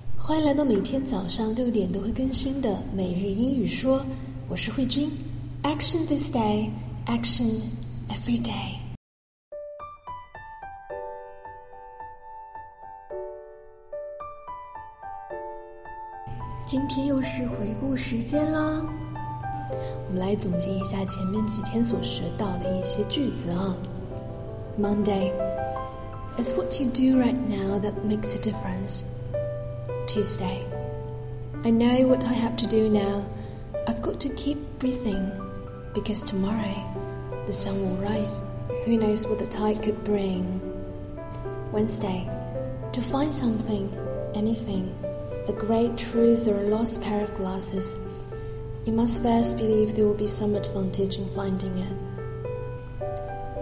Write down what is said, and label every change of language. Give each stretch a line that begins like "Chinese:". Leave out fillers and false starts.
Chinese: 欢迎来到每天早上6点都会更新的每日英语说，我是慧君。
English: Action this day, action every day.
Chinese: 今天又是回顾时间啦，我们来总结一下前面几天所学到的一些句子啊。
English: Monday, it's what you do right now that makes a difference. Tuesday, I know what I have to do now. I've got to keep breathing because tomorrow the sun will rise. Who knows what the tide could bring? Wednesday, to find something, anything, a great truth or a lost pair of glasses, you must first believe there will be some advantage in finding it.